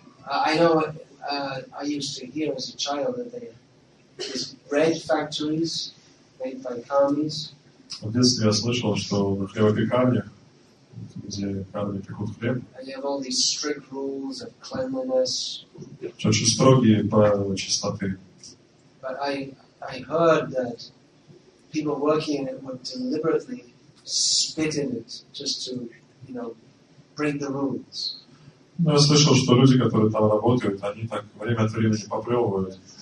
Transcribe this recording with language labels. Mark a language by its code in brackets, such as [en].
[en] I used to hear as a child that they these bread factories made by commies. [ru] В детстве я слышал, что на хлебопекарне, где пекарные пекут хлеб, [en] and they have all these strict rules of cleanliness. [ru] Очень строгие правила чистоты. [en] But I heard that people working in it would deliberately spit in it just to, you know, break the rules. [ru] Ну, я слышал, что люди, которые там работают, они так время от времени поплевывают.